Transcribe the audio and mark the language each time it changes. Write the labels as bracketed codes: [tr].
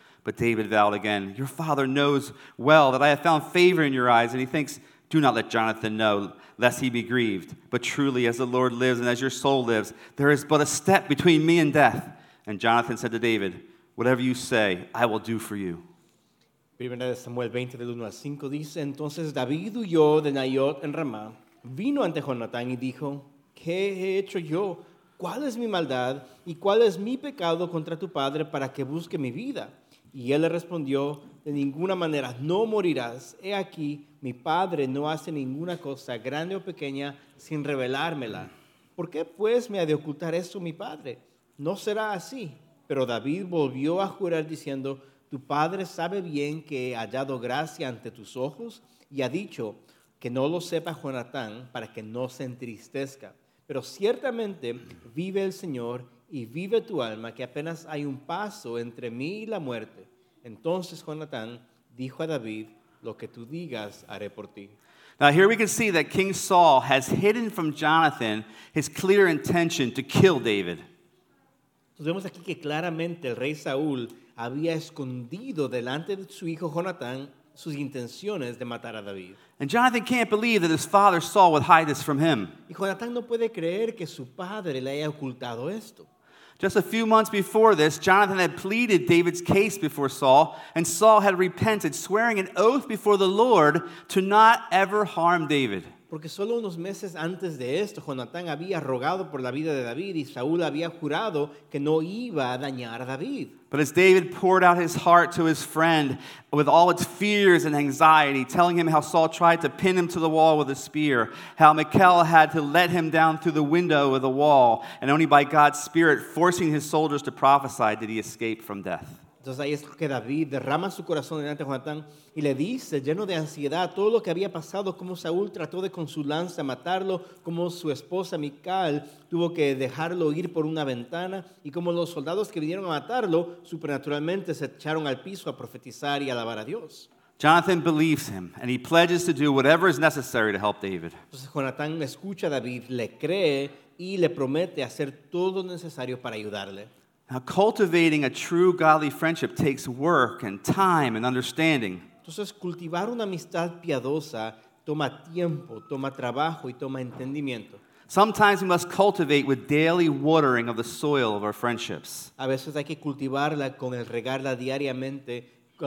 [en] But David vowed again, "Your father knows well that I have found favor in your eyes." And he thinks, "Do not let Jonathan know, lest he be grieved. But truly, as the Lord lives and as your soul lives, there is but a step between me and death." And Jonathan said to David, "Whatever you say, I will do for you." [es] 1 Samuel 20, del 1 al 5, dice, "Entonces David huyó de Nayot en Ramá, vino ante Jonatán y dijo, '¿Qué he hecho yo? ¿Cuál es mi maldad y cuál es mi pecado contra tu padre para que busque mi vida?' Y él le respondió, 'De ninguna manera, no morirás. He aquí, mi padre no hace ninguna cosa, grande o pequeña, sin revelármela. ¿Por qué, pues, me ha de ocultar esto mi padre? No será así.' Pero David volvió a jurar diciendo, 'Tu padre sabe bien que he hallado gracia ante tus ojos y ha dicho que no lo sepa Jonatán para que no se entristezca. Pero ciertamente vive el Señor y vive tu alma, que apenas hay un paso entre mí y la muerte.' Entonces Jonatán dijo a David, 'Lo que tú digas haré por ti.'" [en] Now here we can see that King Saul has hidden from Jonathan his clear intention to kill David. [es] Entonces vemos aquí que claramente el rey Saúl había escondido delante de su hijo Jonatán sus intenciones de matar a David. [en] And Jonathan can't believe that his father Saul would hide this from him. [es] Y Jonatán no puede creer que su padre le haya ocultado esto. [en] Just a few months before this, Jonathan had pleaded David's case before Saul, and Saul had repented, swearing an oath before the Lord to not ever harm David. [es] Porque solo unos meses antes de esto, Jonatán había rogado por la vida de David y Saúl había jurado que no iba a dañar a David. [en] But as David poured out his heart to his friend with all its fears and anxiety, telling him how Saul tried to pin him to the wall with a spear, how Michal had to let him down through the window of the wall, and only by God's Spirit forcing his soldiers to prophesy did he escape from death. [es] Entonces ahí es que David derrama su corazón delante de Jonatán y le dice, lleno de ansiedad, todo lo que había pasado, cómo Saúl trató de con su lanza matarlo, cómo su esposa Mical tuvo que dejarlo ir por una ventana y cómo los soldados que vinieron a matarlo supernaturalmente se echaron al piso a profetizar y alabar a Dios. [en] Jonathan believes him and he pledges to do whatever is necessary to help David. [es] Entonces Jonatán escucha a David, le cree y le promete hacer todo lo necesario para ayudarle. [en] Now, cultivating a true godly friendship takes work and time and understanding. [es] Entonces, cultivar una amistad piadosa toma tiempo, toma trabajo y toma entendimiento. [en] Sometimes we must cultivate with daily watering of the soil of our friendships. [es] A veces hay que cultivarla con el regarla diariamente.